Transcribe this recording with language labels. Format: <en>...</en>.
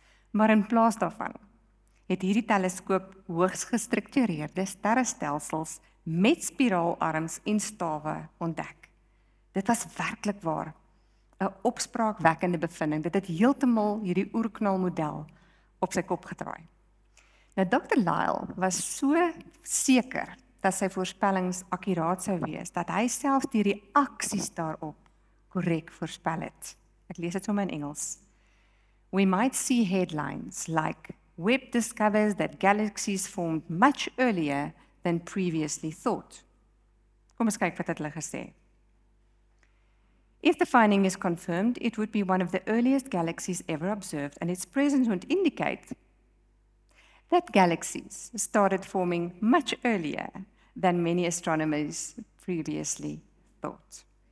<af>Maar in plaas daarvan het hierdie teleskoop hoogs gestruktureerde sterrestelsels met spiraalarms en stawe ontdek. Dit was werklik waar 'n opspraakwekkende bevinding. Dit het heeltemal hierdie oerknalmodel op sy kop gedraai. Nou, Dr. Lyle was so seker dat sy voorspellings akkuraat sou wees, dat hy selfs die reaksies daarop correct voorspel het. Ek lees het sommer in Engels.</af> <en>We might see headlines like Webb discovers that galaxies formed much earlier than previously thought.</en> <af>Kom eens kyk wat het hulle gesê.</af> <en>If the finding is confirmed, it would be one of the earliest galaxies ever observed, and its presence would indicate that galaxies started forming much earlier than many astronomers previously thought.</en>